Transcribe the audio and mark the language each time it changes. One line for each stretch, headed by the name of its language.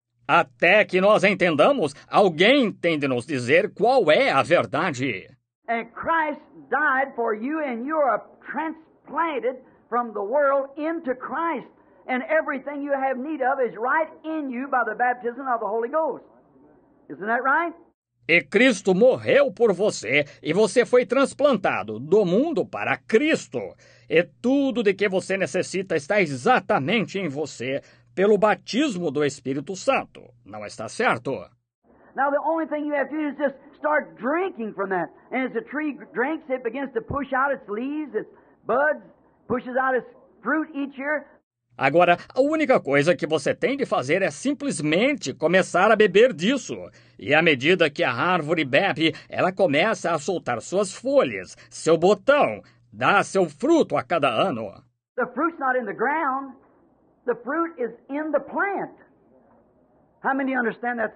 Portuguese: Até que nós entendamos, alguém tem de nos dizer qual é a verdade.
English: And Christ died for you and you are transplanted from the world into Christ. And everything you have need of is right in you by the baptism of the Holy Ghost. Isn't that right?
Portuguese: E Cristo morreu por você e você foi transplantado do mundo para Cristo. E tudo de que você necessita está exatamente em você pelo batismo do Espírito Santo. Não está certo?
English: Now the only thing you have to do is just start drinking from that. And as the tree drinks, it begins to push out its leaves, its buds, pushes out its fruit each year.
Portuguese: Agora, a única coisa que você tem de fazer é simplesmente começar a beber disso. E à medida que a árvore bebe, ela começa a soltar suas folhas, seu botão, dá seu fruto a cada ano.
English: The fruit's not in the ground. The fruit is in the plant. How many understand that?